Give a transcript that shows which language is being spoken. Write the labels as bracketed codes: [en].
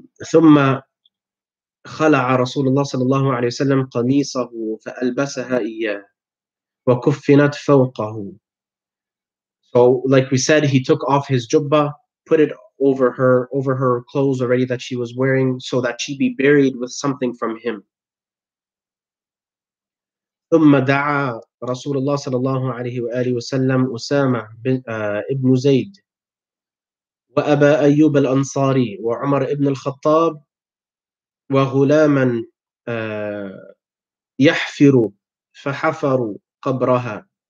[ar] ثم خلع رسول الله صلى الله عليه وسلم قميصه فألبسها إياه وكفنت فوقه. [en] So like we said, he took off his jubba, put it over her clothes already that she was wearing, so that she be buried with something from him. [ar] ثم دعا رسول الله صلى الله عليه وآله وسلم أسامة ابن زيد وأبا أيوب الأنصاري وعمر ابن الخطاب وغلاما يحفر فحفر قبرها.